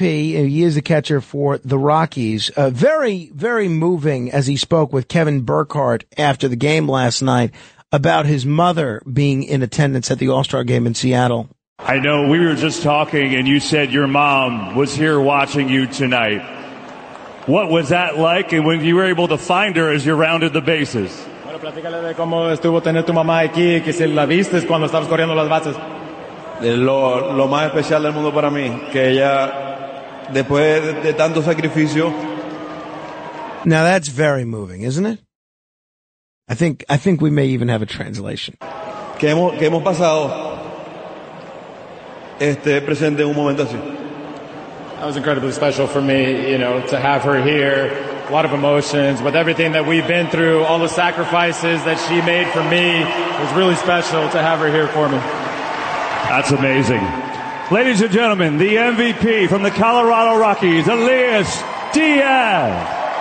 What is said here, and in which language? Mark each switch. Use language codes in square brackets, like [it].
[en] He is the catcher for the Rockies. Very, very moving as he spoke with Kevin Burkhardt after the game last night about his mother being in attendance at the All-Star game in Seattle. I know we were just talking and you said your mom was here watching you tonight. What was that like? And when you were able to find her as you rounded the bases? [es] Bueno, platícale de cómo estuvo tener tu mamá aquí, que se la viste cuando estabas corriendo las bases. Lo más especial del mundo para mí, que ella, después de tanto sacrificio. [en] Now that's very moving, isn't it? I think we may even have a translation. [es] Que hemos pasado este presente un momento así. [en] That was incredibly special for me, you know, to have her here. A lot of emotions with everything that we've been through, all the sacrifices that she made for me. It was really special to have her here for me. That's amazing. Ladies and gentlemen, the MVP from the Colorado Rockies, Elias Diaz.